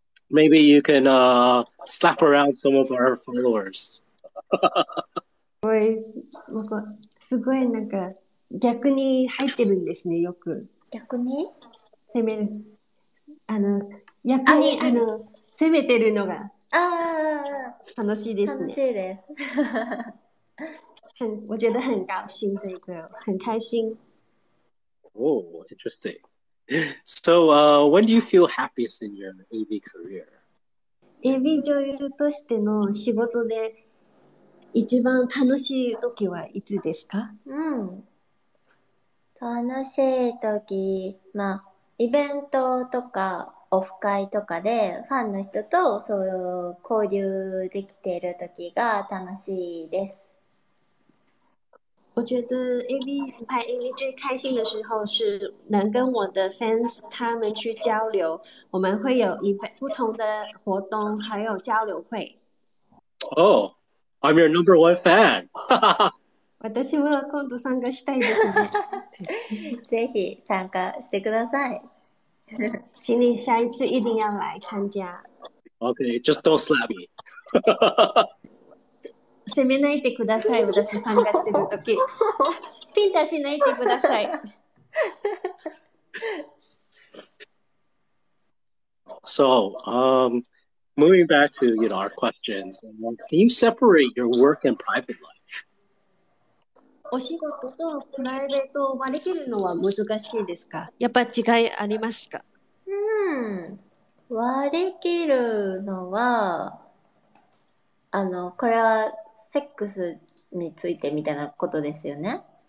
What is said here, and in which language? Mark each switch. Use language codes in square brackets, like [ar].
[en] Maybe you can slap around some of our followers. [ja] すごいなんか逆に入ってるんですね、よく。逆に攻める。あの、逆に あの攻めてるのが楽しいですね。楽しいです。 [zh] 我觉得很高兴这个很开心。 [en] Oh, interesting. So, when do you feel happiest in your AV career? [ja] AV 女優としての仕事で一番楽しい時はいつですか？うん。楽しい時、まあ、イベントとかオフ会とかでファンの人とそういう交流できている時が楽しいです。 [zh] 我觉得 AV 拍 AV 最开心的时候是能跟我的 fans 他们去交流，我们会有不同的活动还有交流会。 [en] Oh, I'm your number one fan. [ja] 私も今度参加したいですね。ぜひ参加してください。 [zh] 请你下一次一定要来参加。 [en] Okay, just don't slap me. [ja] 攻めないでください。私参加してるとき、フィンタしないでください。 [en] So, moving back to you know our questions, can you separate your work and private life? [ja] お仕事とプライベートを割り切るのは難しいですか？やっぱ違いありますか？割り切るのはこれはセックスについてみたいなことですよね。